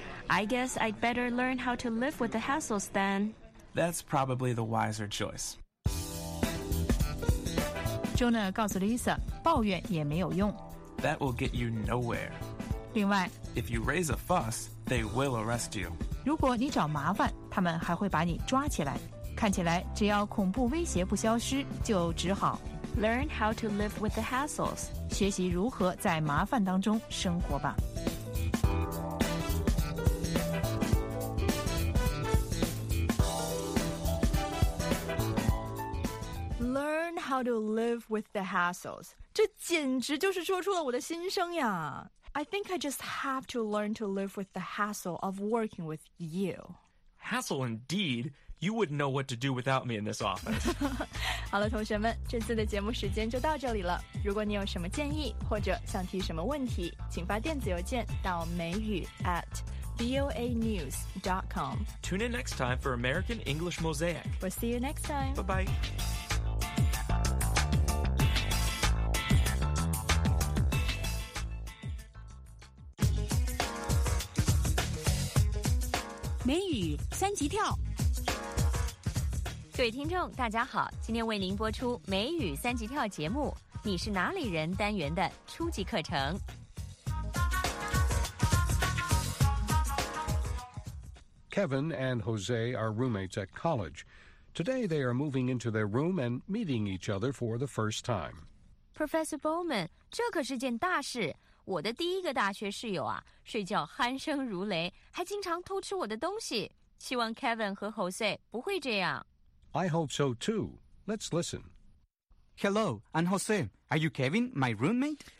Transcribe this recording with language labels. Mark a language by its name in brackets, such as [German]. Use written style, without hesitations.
[English] I guess I'd better learn how to live with the hassles then. That's probably the wiser choice. [Chinese] Jonah 告诉 Lisa, 抱怨也没有用。 [English] That will get you nowhere. [Chinese] 另外 [English] If you raise a fuss, they will arrest you. [Chinese] 如果你找麻烦，他们还会把你抓起来。看起来只要恐怖威胁不消失，就只好 [English] Learn how to live with the hassles. [Chinese] 学习如何在麻烦当中生活吧。 [English] How to live with the hassles. [Chinese] 这简直就是说出了我的心声呀。 [English] I think I just have to learn to live with the hassle of working with you. Hassle indeed. You wouldn't know what to do without me in this office. [Chinese] 好了，同学们，这次的节目时间就到这里了。如果你有什么建议或者想提什么问题，请发电子邮件到美语 @voanews.com. [English] Tune in next time for American English Mosaic. We'll see you next time. Bye-bye. [Chinese] 美语三级跳各位听众大家好，今天为您播出美语三级跳节目你是哪里人单元的初级课程。 [English] Kevin and Jose are roommates at college. Today they are moving into their room and meeting each other for the first time. [Chinese] Professor Bowman, 这可是件大事。我的第一个大学室友啊，睡觉鼾声如雷，还经常偷吃我的东西。希望 Kevin 和 Jose 不会这样。 [English] I hope so too. Let's listen. Hello, I'm Jose. Are you Kevin, my roommate?